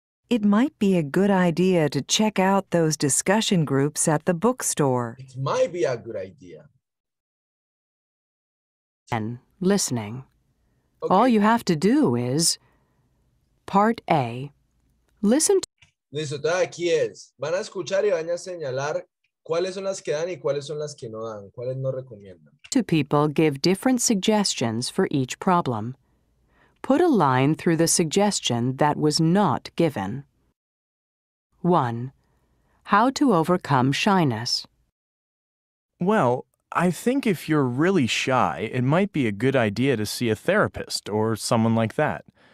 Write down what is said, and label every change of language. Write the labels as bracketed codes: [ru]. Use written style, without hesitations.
[en] It might be a good idea to check out those discussion groups at the bookstore. It might be a good idea. And listening. Okay. All you have to do is part A. Listen to. [es] Listo, aquí es. Van a escuchar y van a señalar cuáles son las que dan y cuáles son las que no dan, cuáles no recomiendan. [en] Two people give different suggestions for each problem. Put a line through the suggestion that was not given. 1. How to overcome shyness. Well, I think if you're really shy, it might be a good idea to see a therapist or someone like that.